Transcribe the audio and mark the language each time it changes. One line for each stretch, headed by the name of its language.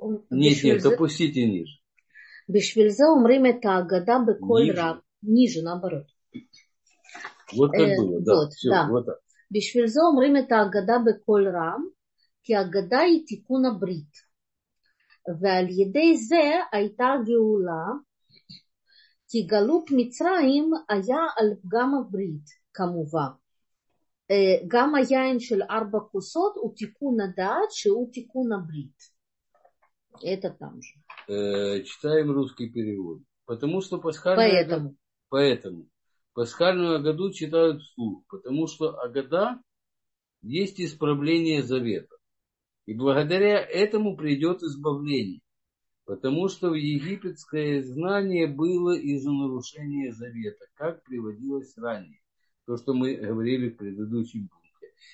Russian: Нет, нет, допустите ниже.
Hebrew: Бишвильзе умрим это агадам беколь рам.
Russian: Ниже, наоборот. Вот так было, да. Вот, все, да. Вот так.
Hebrew: Бишвильзе умрим это агадам беколь рам, ки агада и тикуна брит. ועל ידי זה הייתה גאולה, כי גלות מצרים היה על פגם הברית, כמובן. גם היין של ארבע כוסות הוא תיקון הדעת שהוא תיקון הברית.
Russian: Это там же. Читаем русский перевод. Потому что пасхальную Поэтому. Агаду... Поэтому. Пасхальную Агаду читают вслух, потому что Агада есть исправление завета. И благодаря этому придет избавление, потому что в египетское знание было из-за нарушения завета, как приводилось ранее, то, что мы говорили в предыдущем пункте.